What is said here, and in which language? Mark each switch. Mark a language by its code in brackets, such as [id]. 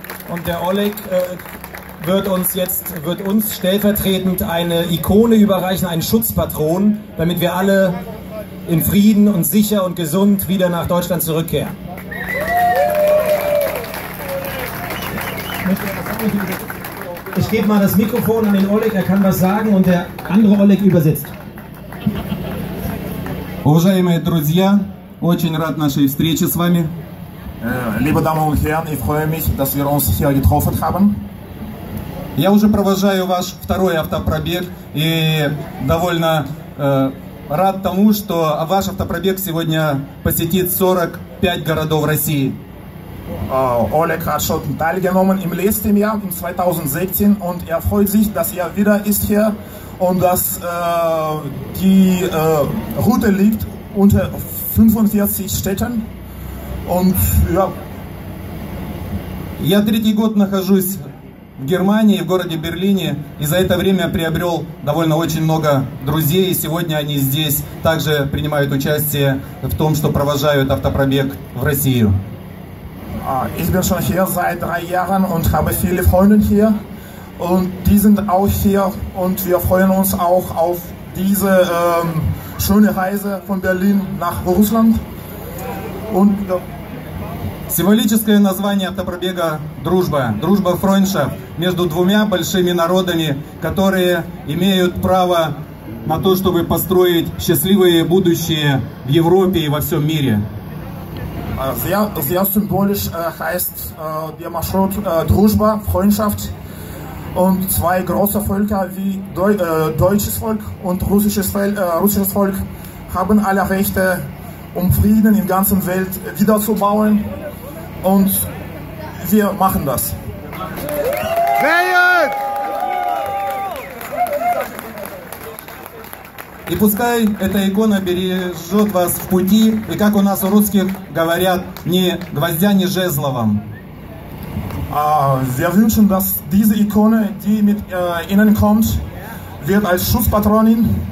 [de] Und der Oleg wird uns stellvertretend eine Ikone überreichen, einen Schutzpatron, damit wir alle in Frieden und sicher und gesund wieder nach Deutschland zurückkehren. Ich gebe mal das Mikrofon an den Oleg, er kann was sagen und der andere Oleg übersetzt. [ru] Уважаемые друзья, очень рад нашей встрече с вами. [de] Liebe Damen und Herren, ich freue mich, dass wir uns hier getroffen haben. [ru] Я уже провожаю ваш второй автопробег и довольно рад тому, что ваш автопробег сегодня посетит 45 городов России. [de] Oleg hat schon teilgenommen im letzten Jahr, im 2016, und er freut sich, dass er wieder ist hier und dass die Route liegt unter 45 Städten. Und ja. [ru] Я третий год нахожусь в Германии, в городе Берлине, и за это время приобрел довольно очень много друзей, и сегодня они здесь также принимают участие в том, что провожают автопробег в Россию. [de] Ich bin schon hier seit 3 Jahren und habe viele Freunde hier. Und die sind auch hier und wir freuen uns auch auf diese schöne Reise von Berlin nach Russland. Und [ru] символическое название автопробега «Дружба», «Дружба Freundschaft» между двумя большими народами, которые имеют право на то, чтобы построить счастливое будущее в Европе и во всем мире. [de] Sehr symbolisch heißt der Marschrut Druzhba, Freundschaft, und zwei große Völker wie deutsches Volk und russisches Volk haben alle Rechte, um Frieden in der ganzen Welt wiederzubauen, und wir machen das. [ru] И пускай эта икона бережет вас в пути, и как у нас у русских говорят, ни гвоздя, ни жезла вам. [de] Wir wünschen, dass diese Ikone, die mit innen kommt, wird als Schutzpatronin,